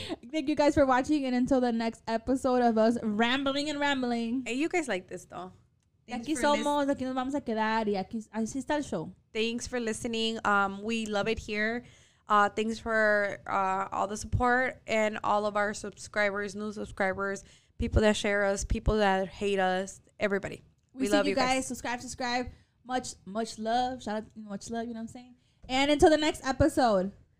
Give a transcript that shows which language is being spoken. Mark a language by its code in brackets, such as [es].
[en] Thank you guys for watching, and until the next episode of us rambling and rambling. Hey, you guys like this though. [es] Aquí somos, aquí nos vamos a quedar, y aquí así está el show. [en] Thanks for listening. We love it here. Thanks for all the support and all of our subscribers, new subscribers, people that share us, people that hate us, everybody. We love you guys. Subscribe. Much love. Shout out. Much love. You know what I'm saying? And until the next episode.